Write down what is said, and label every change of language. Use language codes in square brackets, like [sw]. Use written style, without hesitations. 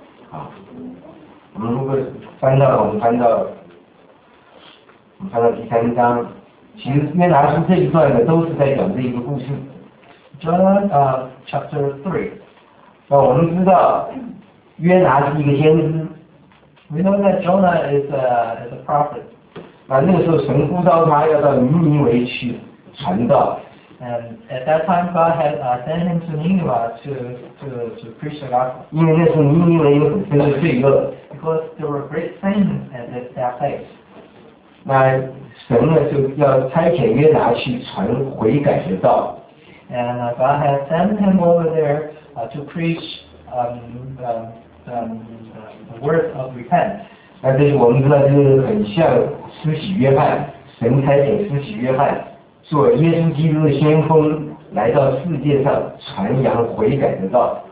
[zh] 好，我们如果翻到第三章，其实约拿书这一段呢，都是在讲这一个故事。 [en] Jonah, chapter 3. [zh] 那我们知道约拿是一个先知。 [en] We know that Jonah is a prophet. [zh] 那个时候神呼召他要到尼尼微去传道。 [en] And at that time, God had sent him to Nineveh to preach the gospel. [zh] 因为那时候尼尼微有很深的罪恶。 [en] Because there were great sins at that place. [zh] 那神呢就要差遣约拿去传悔改的道。 [en] And God had sent him over there to preach the word of repent. [zh] 那这里我们知道，就是很像施洗约翰，神差遣施洗约翰做耶稣基督的先锋，来到世界上传扬悔改的道。